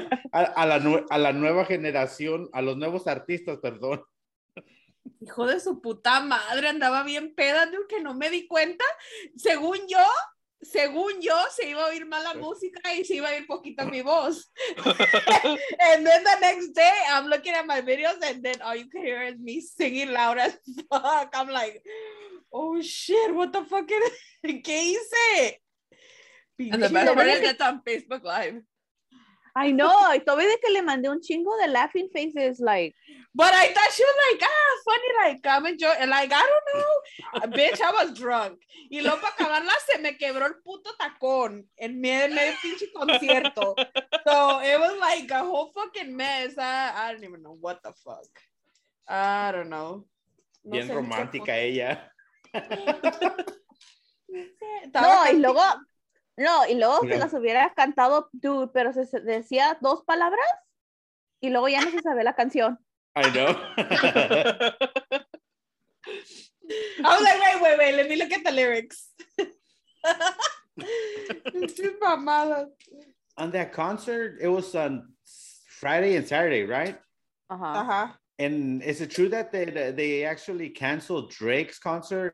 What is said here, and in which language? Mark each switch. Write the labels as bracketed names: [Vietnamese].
[Spanish] a la nueva generación, a los nuevos artistas, perdón. Hijo de su puta madre, andaba bien peda, ¿no? Que no me di cuenta. Según yo, se iba a oír mala música y se iba a oír poquito mi voz. [English] And then the next day, I'm looking at my videos and then all you can hear is me singing loud as fuck. I'm like... Oh shit, what the fuck, [Spanish] ¿qué hice? [English] And the best part is that's on Facebook Live. I know, [Spanish] y todavía de que le mandé un chingo de [English] laughing faces, like. But I thought she was like, funny, like, I'm enjoying, like, I don't know. Bitch, I was drunk. [Spanish] Y luego para acabarla se me quebró el puto tacón en medio pinche concierto. [English] So it was like a whole fucking mess. I don't even know what the fuck. I don't know. [Spanish] No bien romántica ella. No, y luego se las hubiera cantado, dude, pero se decía dos palabras y luego ya no se sabe la canción. [English] I know. I was like, wait, let me look at the lyrics. [Spanish] Estoy mamada. [English] On that concert, it was on Friday and Saturday, right? And is it true that they actually canceled Drake's concert?